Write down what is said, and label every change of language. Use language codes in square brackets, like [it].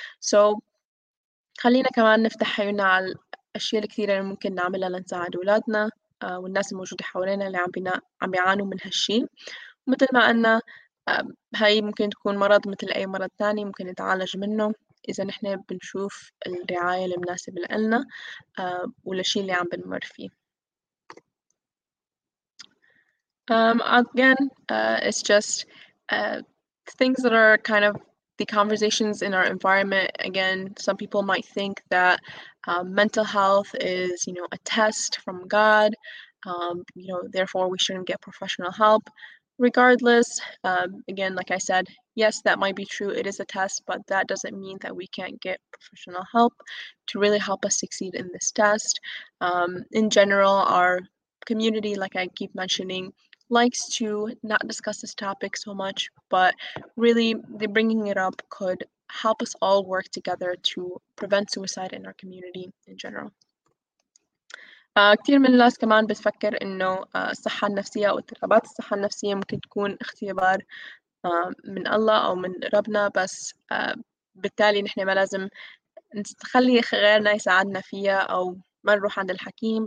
[ar] So خلينا كمان نفتح عيوننا على الأشياء الكثيرة اللي ممكن نعملها لنساعد أولادنا والناس الموجودة حوالينا اللي عم بيعانوا من هالشي. مثل ما قلنا هاي ممكن تكون مرض مثل أي مرض تاني ممكن يتعالج منه إذا نحن بنشوف الرعاية المناسبة لنا ولشي اللي عم بنمر فيه. [en] Again, it's just things that are kind of the conversations in our environment. Again, some people might think that mental health is, a test from God. Therefore we shouldn't get professional help. Regardless, again, like I said, yes, that might be true. It is a test, but that doesn't mean that we can't get professional help to really help us succeed in this test. In general, our community, like I keep mentioning, likes to not discuss this topic so much, but really the bringing it up could help us all work together to prevent suicide in our community in general. [ar] كثير من الناس كمان بتفكر انه الصحة النفسية او اضطرابات الصحة النفسية ممكن تكون اختبار من الله او من ربنا، بس بالتالي نحن ما لازم نخلي غيرنا يساعدنا فيها او ما نروح عند الحكيم.